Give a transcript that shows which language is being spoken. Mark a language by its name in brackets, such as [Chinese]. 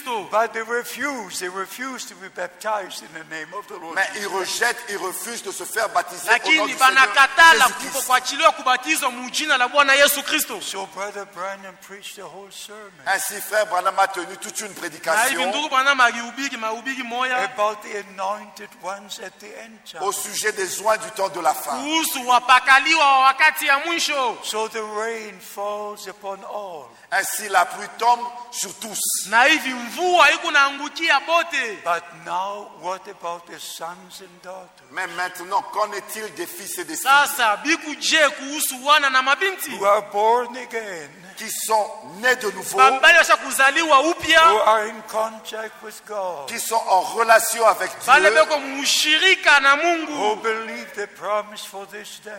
[English] But they refuse to be baptized in the name of the Lord. [French] Mais ils rejettent, ils refusent de se faire baptiser au nom de Jésus-Christ. [English] So Brother Branham preached the whole sermon. [French] Ainsi, Frère Branham a tenu toute une prédication [English] about the anointed ones at the end time. [French] Au sujet des oints du temps de la fin. [English] So the rain falls upon all. [French] Ainsi, la pluie tombe sur tous. [English] But now, what about the sons and daughters? [French] Mais maintenant, qu'en est-il des fils et des filles? [English] Who are born again? [French] Qui sont nés de nouveau? [English] Who are in contact with God? [French] Qui sont en relation avec Dieu? [English] Who believe the promise for this day?